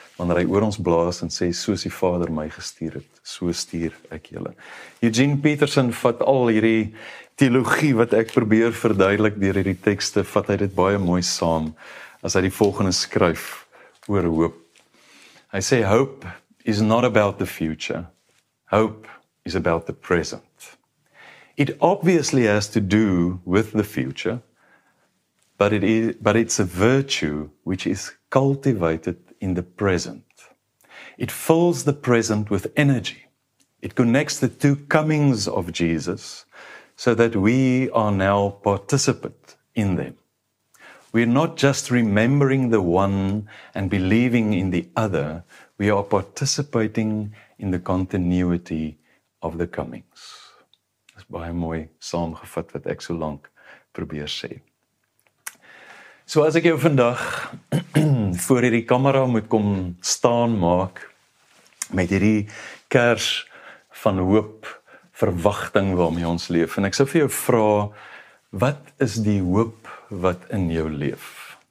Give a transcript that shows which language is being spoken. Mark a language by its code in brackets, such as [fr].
[af] Wanneer hy oor ons blaas en sê, soos die Vader my gestuur het, so stuur ek julle. Eugene Peterson vat al hierdie theologie wat ek probeer verduidelik deur hierdie tekste, vat hy dit baie mooi saam, as hy die volgende skryf oor hoop. Hy sê, [en] hope is not about the future. Hope is about the present. It obviously has to do with the future, but it's a virtue which is cultivated in the present. It fills the present with energy. It connects the two comings of Jesus so that we are now participant in them. We are not just remembering the one and believing in the other, we are participating in the continuity of the comings. [af] Dis baie mooi saamgevat wat ek so lank probeer sê. So as ek jou vandag voor hierdie kamera moet kom staan maak met hierdie kers van hoop, verwagting waarmee ons leef, en ek sou vir jou vra, wat is die hoop wat in jou leef?